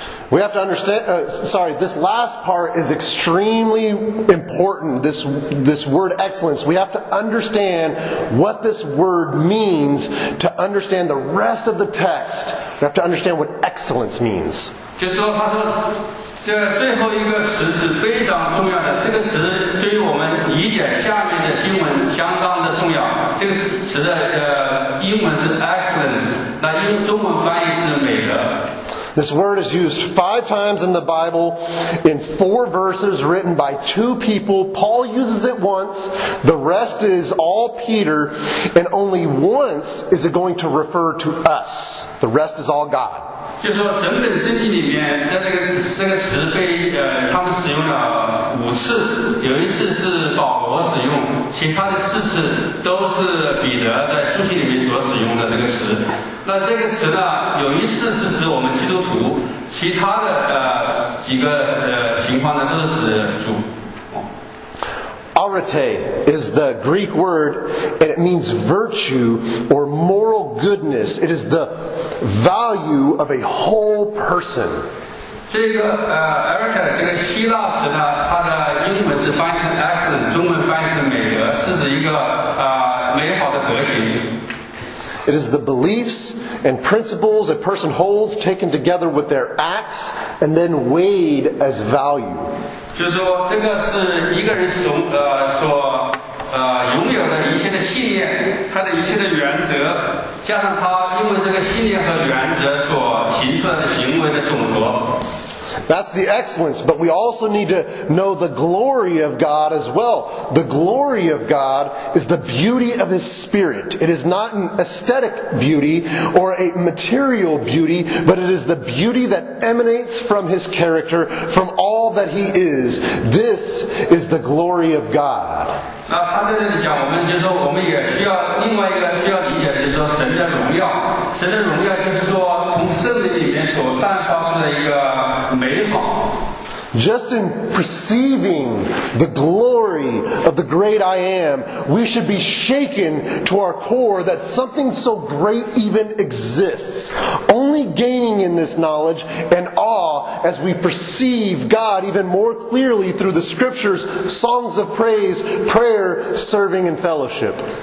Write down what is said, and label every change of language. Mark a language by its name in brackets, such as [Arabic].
[English] We have to understand, this last part is extremely important, this word excellence. We have to understand what this word means to understand the rest of the text. We have to understand what excellence means. [Chinese] 就说他说这最后一个词是非常重要的，这个词对于我们理解下面的经文相当的重要。这个词的英文是 excellence, 那用中文翻译是美德。 [English] This word is used 5 times in the Bible in 4 verses written by 2 people. Paul uses it once. The rest is all Peter. And only once is it going to refer to us. The rest is all God. [Chinese] 就是说整本圣经里面在这个词被他们使用了五次，有一次是保罗使用，其他的四次都是彼得在书信里面所使用的这个词。那这个词呢，有一次是指我们基督徒，其他的几个情况呢都是指主。 [English] Arete is the Greek word, and it means virtue or moral goodness. It is the value of a whole person. [Chinese] 这个Arete 这个希腊词呢，它的英文是翻译成 excellence， 中文翻译成美德，是指一个美好的德行。 [English] It is the beliefs and principles a person holds taken together with their acts and then weighed as value. [Chinese] 就是说这个是一个人拥有的一切的信念，他的一切的原则，加上他因为这个信念和原则所行出来的行为的总和。 [English] That's the excellence, but we also need to know the glory of God as well. The glory of God is the beauty of His Spirit. It is not an aesthetic beauty or a material beauty, but it is the beauty that emanates from His character, from all that He is. This is the glory of God. [Chinese] 那他在这里讲，我们就是说，我们也需要另外一个需要理解的，就是说神的荣耀。神的荣耀就是说，从圣灵里面所散发出的一个美好。 [English] Just in perceiving the glory of the great I am, we should be shaken to our core that something so great even exists. Only gaining in this knowledge and awe as we perceive God even more clearly through the scriptures, songs of praise, prayer, serving, and fellowship.